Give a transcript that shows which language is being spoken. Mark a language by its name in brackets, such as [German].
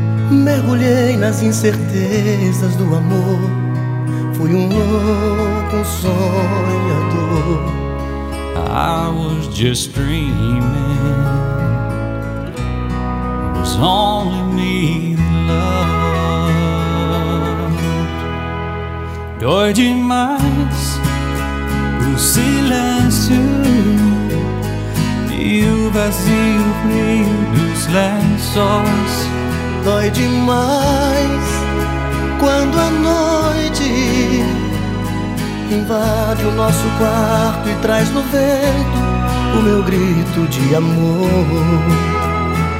[Portuguese] Mergulhei nas incertezas do amor, fui louco sonhador. [English] I was just dreaming, it was only me that loved. [Portuguese] Dói demais o silêncio e o vazio frio dos lençóis. Dói demais quando a noite invade o nosso quarto e traz no vento o meu grito de amor.